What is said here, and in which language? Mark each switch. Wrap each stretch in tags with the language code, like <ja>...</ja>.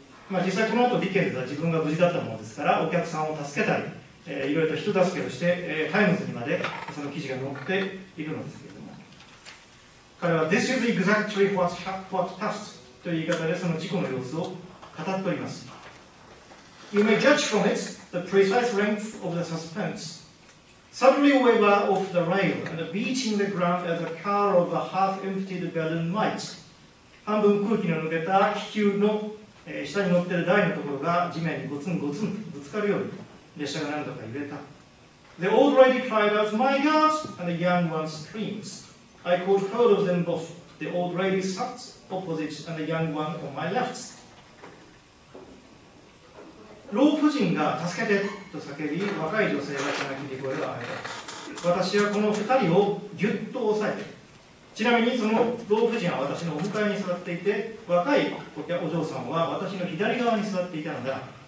<ja>まあ、実際この後ディケンズは自分が無事だったものですからお客さんを助けたり、いろいろと人助けをして、タイムズにまでその記事が載っているのですけれども、彼は</ja> <en>This is exactly what passed</en> <ja>という言い方でその事故の様子を語っております。</ja> <en>You may judge from it the precise length of the suspenseSuddenly we were off the rail and beating the ground as a car of a half-emptied balloon might.</en> <ja>半分空気の抜けた気球の下に乗っている台のところが地面にゴツンゴツンとぶつかるように列車が何度か揺れた。</ja> <en>The old lady cried out, My God! And the young one screams. I caught hold of them both. The old lady sat opposite and the young one on my left.</en> <ja>老婦人が助けてと叫び、若い女性が泣き声を上げた。私はこの二人をぎゅっと押さえて、ちなみにその老婦人は私のお迎えに座っていて、若いお嬢さんは私の左側に座っていたのだ。</ja>